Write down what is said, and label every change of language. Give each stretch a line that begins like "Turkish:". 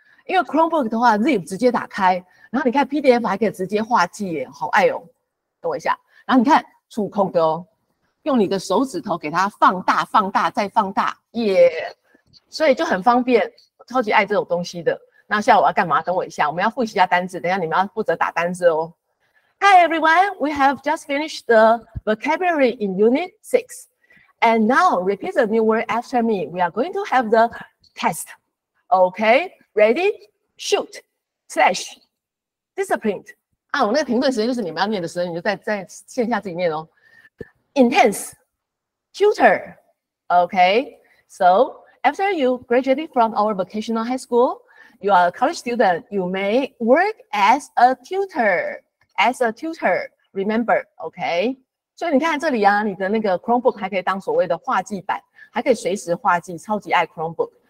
Chinese: 因为 Chromebook 的话 ，Zip 直接打开，然后你看 PDF 还可以直接画记耶，好爱哦。等我一下，然后你看。触控的哦，用你的手指头给它放大、放大、再放大，耶、所以就很方便，超级爱这种东西的。那现在我要干嘛？等我一下，我们要复习一下单字。等一下你们要负责打单字哦。
English: Hi everyone, we have just finished the vocabulary in Unit 6, and now repeat the new word after me. We are going to have the test. Okay, ready? Shoot, slash, discipline.
Chinese: 啊，我那个停顿时间就是你们要念的时间，你就在线下自己念哦。
English: Intense, tutor, okay. So after you graduated from our vocational high school, you are a college student. You may work as a tutor. As a tutor, remember, okay.
Chinese: 所以你看这里啊，你的那个 Chromebook 还可以当所谓的画记版，还可以随时画记，超级爱 Chromebook.